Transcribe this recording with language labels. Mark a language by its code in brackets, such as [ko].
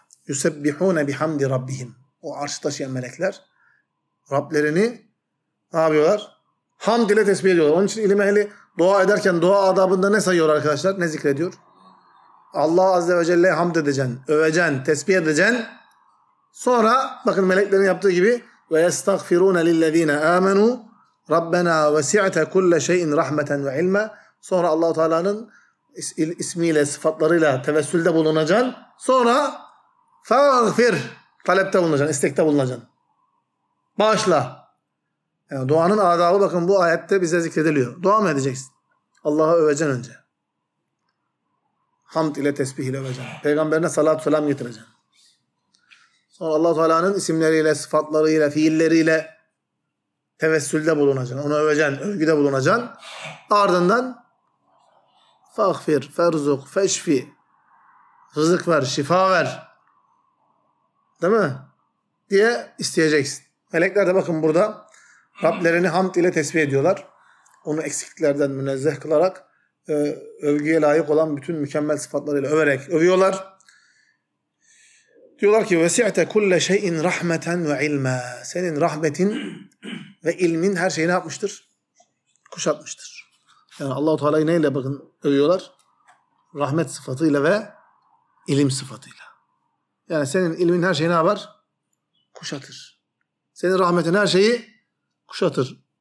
[ar] يُسَبِّحُونَ بِحَمْدِ رَبِّهِمْ. [tr] O arşı taşıyan melekler Rablerini ne yapıyorlar? Hamd ile tesbih ediyorlar. Onun için ilim ehli dua ederken dua adabında ne sayıyor arkadaşlar? Ne zikrediyor? Allah Azze ve Celle'ye hamd edeceksin, öveceksin, tesbih edeceksin. Sonra bakın meleklerin yaptığı gibi [ar] وَيَسْتَغْفِرُونَ لِلَّذ۪ينَ آمَنُوا رَبَّنَا وَسِعْتَ كُلَّ شَيْءٍ رَحْمَةً وَعِلْمًا. [tr] Sonra Allah-u Teala'nın ismiyle, sıfatlarıyla tevessülde bulunacaksın. Sonra فَغْفِرْ. Talepte bulunacaksın, istekte bulunacaksın. Bağışla. Yani duanın adabı bakın bu ayette bize zikrediliyor. Dua mı edeceksin? Allah'ı öveceksin önce. Hamd ile tesbih ile öveceksin. Peygamberine salatü selam getireceksin. Sonra Allah-u Teala'nın isimleriyle, sıfatlarıyla, fiilleriyle tevessülde bulunacaksın. Onu öveceksin, övgüde bulunacaksın. Ardından fağfir, ferzuk, feşfi, rızık ver, şifa ver. Değil mi? Diye isteyeceksin. Melekler de bakın burada Rablerini hamd ile tesbih ediyorlar. Onu eksikliklerden münezzeh kılarak övgüye layık olan bütün mükemmel sıfatlarıyla överek övüyorlar. Diyorlar ki [ar] وَسِعْتَ كُلَّ شَيْءٍ رَحْمَةً وَعِلْمًا. [tr] Senin rahmetin ve ilmin her şeyi ne yapmıştır? Kuşatmıştır. Yani Allah-u Teala'yı neyle bakın övüyorlar? Rahmet sıfatıyla ve ilim sıfatıyla. Yani senin ilmin her şeyi ne yapar? Kuşatır. Senin rahmetin her şeyi kuşatır.